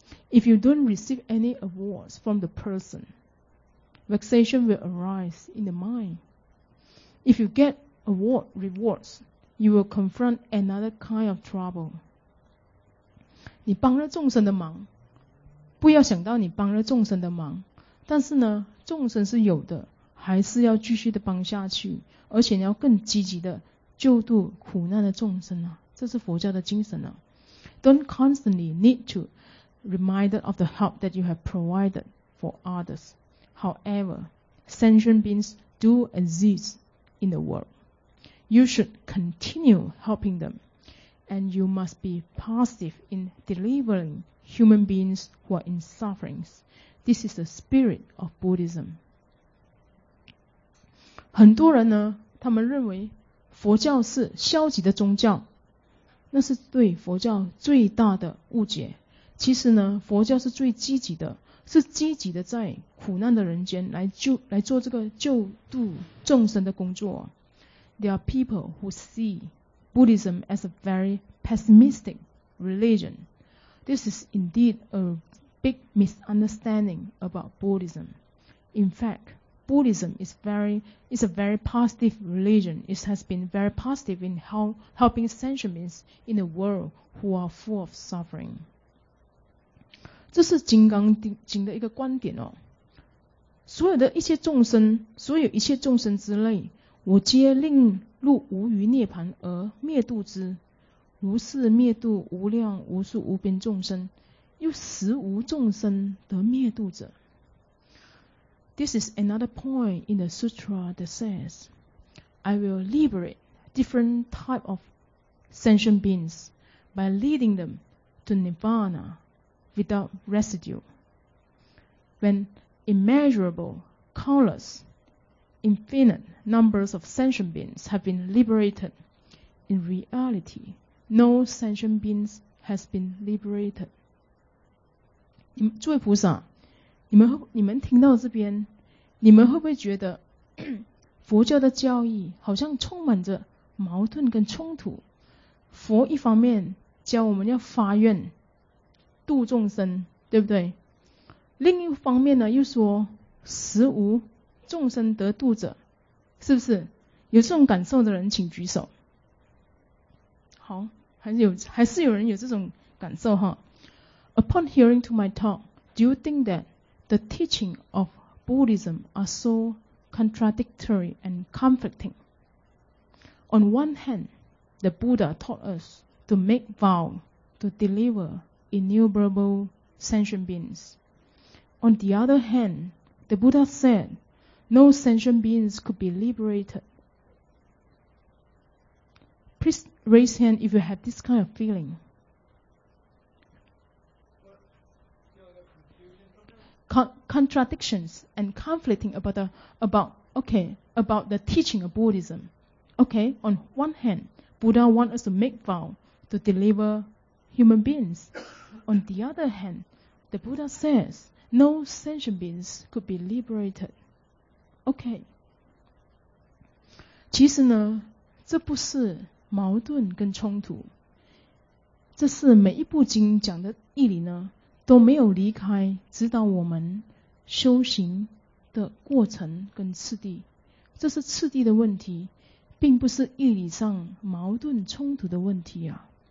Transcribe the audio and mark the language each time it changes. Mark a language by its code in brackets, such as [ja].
[en] If you don't receive any awards from the person, vexation will arise in the mind. If you get rewards, you will confront another kind of trouble. [zh] 你帮了众生的忙，不要想到你帮了众生的忙，但是呢，众生是有的，还是要继续的帮下去，而且要更积极的救度苦难的众生啊！这是佛教的精神啊！ [en] Don't constantly need to remind of the help that you have provided for others. However, sentient beings do exist in the world. You should continue helping them, and you must be passive in delivering human beings who are in sufferings. This is the spirit of Buddhism. [zh] 很多人呢，他们认为佛教是消极的宗教，那是对佛教最大的误解。其实呢，佛教是最积极的，是积极的在苦难的人间来做这个救度众生的工作。 [en] There are people who see Buddhism as a very pessimistic religion. This is indeed a big misunderstanding about Buddhism. In fact, Buddhism is a very positive religion. It has been very positive in helping sentient beings in the world who are full of suffering. [zh] 这是金刚经的一个观点哦。所有的一切众生，所有一切众生之类，我皆令入无余涅槃而灭度之，如是灭度无量无数无边众生，又实无众生得灭度者。 [en] This is another point in the sutra that says, I will liberate different type of sentient beings by leading them to nirvana without residue. When immeasurable, countless, infinite numbers of sentient beings have been liberated, in reality, no sentient beings has been liberated. [zh] 诸位菩萨，你们听到这边，你们会不会觉得佛教的教义好像充满着矛盾跟冲突？佛一方面教我们要发愿度众生，对不对？另一方面呢，又说实无众生得度者，是不是？有这种感受的人请举手。好，还是有人有这种感受哈。 [en] Upon hearing to my talk, do you think that the teaching of Buddhism are so contradictory and conflicting? On one hand, the Buddha taught us to make vow to deliver innumerable sentient beings. On the other hand, the Buddha said no sentient beings could be liberated. Please raise hand if you have this kind of feeling. Contradictions and conflicting about the teaching of Buddhism. Okay, on one hand, Buddha wants us to make vow to deliver human beings. On the other hand, the Buddha says no sentient beings could be liberated. Okay. [zh] 其实呢，这不是矛盾跟冲突，这是每一部经讲的义理呢。都没有离开指导我们修行的过程跟次第，这是次第的问题，并不是义理上矛盾冲突的问题啊。